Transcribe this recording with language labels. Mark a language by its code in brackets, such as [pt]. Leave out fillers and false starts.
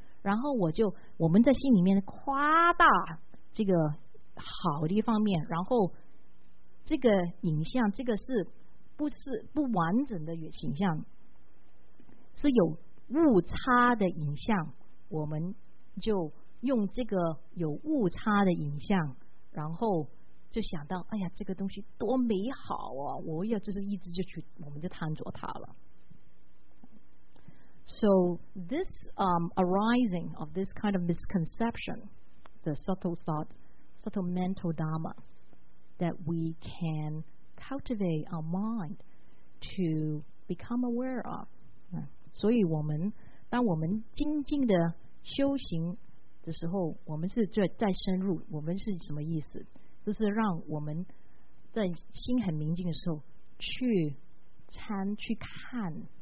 [zh] 然后我们在心里面夸大这个好的一方面，然后这个影像，这个是不是不完整的影像，是有误差的影像，我们就用这个有误差的影像，然后就想到，哎呀，这个东西多美好啊，我要就是一直就去，我们就贪着它了。 [en] So this arising of this kind of misconception, the subtle thought, subtle mental dharma, that we can cultivate our mind to become aware of. [zh] 所以我们当我们精进的修行的时候，我们是在深入。我们是什么意思？就是让我们在心很明净的时候，去看。